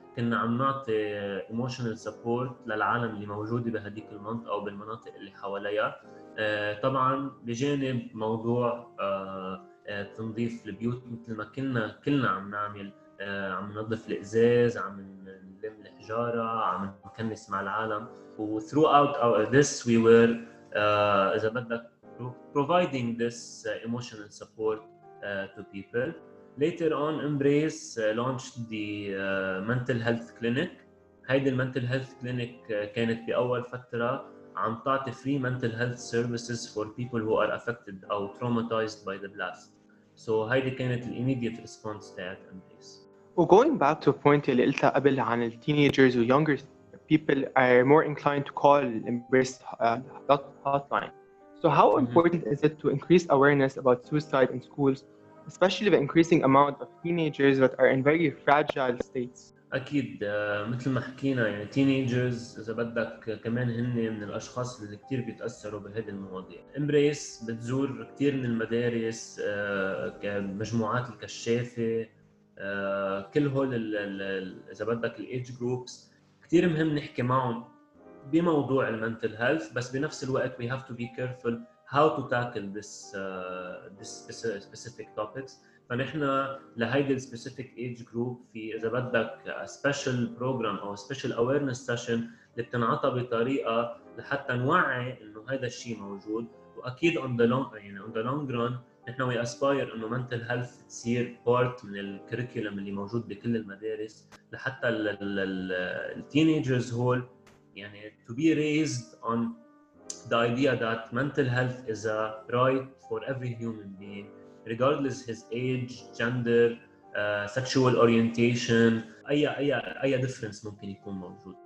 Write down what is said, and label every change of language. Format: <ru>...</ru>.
<ar>كنا عم نعطي emotional support للعالم اللي موجودة بهديك المنطقة أو بالمناطق اللي حواليها، طبعاً بجانب موضوع تنظيف البيوت مثل ما كلنا عم نعمل، عم ننظف الإزاز، عم نلم الحجارة، عم نكنس مع العالم.</ar> <en>و throughout this we were</en> <ar>إذا بدك</ar> <en>providing this emotional support to people. Later on Embrace launched the mental health clinic.</en> <ar>هيدي المنتل هيلث كلينيك كانت بأول فترة عم تعطي</ar> <en>free mental health services for people who are affected أو traumatized by the blast. So</en> <ar>هيدي كانت الـ</ar> <en>immediate response to that Embrace. Well, going back to a point</en> <ar>اللي قلتها قبل عن الـ</ar> <en>teenagers and younger people are more inclined to call Embrace hotline. So how important is it to increase awareness about suicide in schools, especially the increasing amount of teenagers that are in very fragile states?</en> <ar>أكيد مثل ما حكينا يعني teenagers إذا بدك كمان هن من الأشخاص اللي كتير بيتأثروا بهذه المواضيع. Embrace بتزور كتير من المدارس كمجموعات الكشافة، كل هول إذا بدك الـ age groups كتير مهم نحكي معهم بموضوع المنتل هيلث، بس بنفس الوقت</ar> <en>we have to be careful how to tackle this specific topics.</en> <ar>فنحن لهيدي specific age group في إذا بدك</ar> <en>a special program</en> <ar>أو</ar> <en>a special awareness session</en> <ar>اللي بتنعطى بطريقة لحتى نوعي إنه هذا الشيء موجود.</ar> <en>وأكيد on the long run نحن we aspire إنه mental health تصير part</en> <ar>من الكريكولم اللي موجود بكل المدارس لحتى ال</ar> <en>teenagers هول يعني to be raised on the idea that mental health is a right for every human being regardless his age, gender, sexual orientation, أي difference</en> <ar>ممكن يكون موجود.</ar>